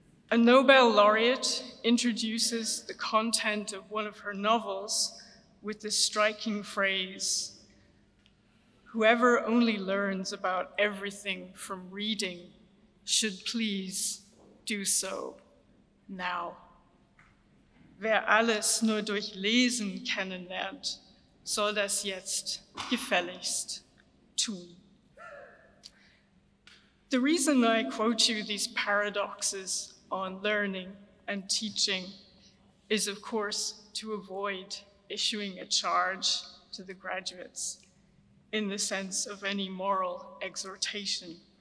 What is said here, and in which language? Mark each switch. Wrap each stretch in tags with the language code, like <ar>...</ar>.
<en>A Nobel laureate introduces the content of one of her novels with the striking phrase, "Whoever only learns about everything from reading should please do so now.</en> <de>Wer alles nur durch Lesen kennenlernt, soll das jetzt gefälligst tun."</de> <en>The reason I quote you these paradoxes on learning and teaching is, of course, to avoid issuing a charge to the graduates in the sense of any moral exhortation.</en>